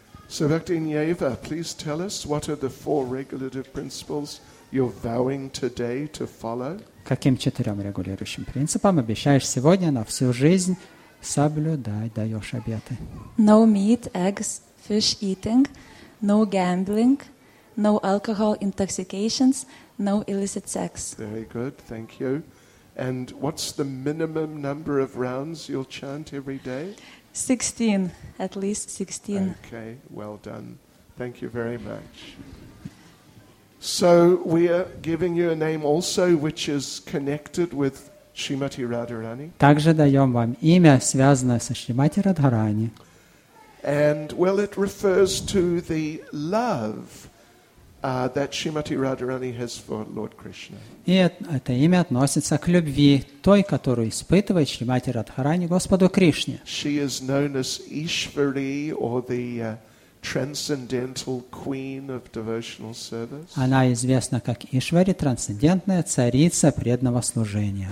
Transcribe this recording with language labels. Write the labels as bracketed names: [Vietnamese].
[English] So, Bhaktin Yeva, please tell us what are the four regulative principles you're vowing today to follow? [Russian] Каким четырем регулирующим принципам обещаешь сегодня на всю жизнь соблюдать, даешь обеты? [English] No meat, eggs, fish eating, no gambling, no alcohol intoxications, no illicit sex. Very good, thank you. And what's the minimum number of rounds you'll chant every day? 16, at least 16. Okay, well done. Thank you very much. So we are giving you a name also which is connected with Srimati Radharani. [Russian] Также даем вам имя, связанное со Шримати Радхарани. [English] And well, it refers to the love that Srimati Radharani has for Lord Krishna. [Russian] И это имя относится к любви той, которую испытывает Шримати Радхарани Господу Кришне. [English] She is known as Ishvari, or the transcendental queen of devotional service. [Russian] Она известна как Ишвари, трансцендентная царица преданного служения.